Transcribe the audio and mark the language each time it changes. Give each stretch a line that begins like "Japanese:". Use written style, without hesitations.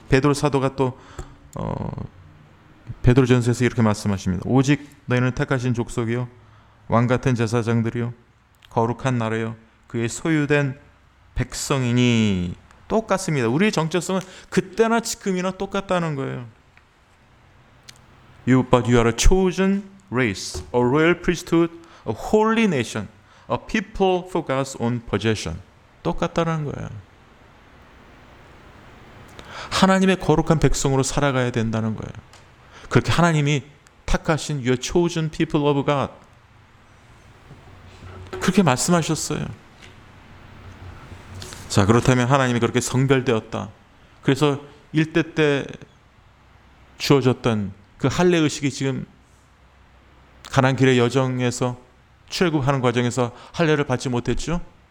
Korean: 베드로 사도가 또 베드로전서에서 이렇게 말씀하십니다. 오직 너희는 택하신 족속이요 왕같은 제사장들이요 거룩한 나라요 그의 소유된 백성이니. 똑같습니다. 우리의 정체성은 그때나 지금이나 똑같다는 거예요.
English: You, but you are a chosen race, a royal priesthood, a holy nation, a people for God's own possession.
Korean: 똑같다는 거예요. 하나님의 거룩한 백성으로 살아가야 된다는 거예요. 그렇게 하나님이 택하신
English: You are chosen people of God.
Korean: 그렇게 말씀하셨어요. 자, 그렇다면 하나님이 그렇게 성별되었다. 그래서 일대 때 주어졌던 그 할례의식이 지금 가나안 길의 여정에서 출애굽하는 과정에서 할례를 받지 못했죠.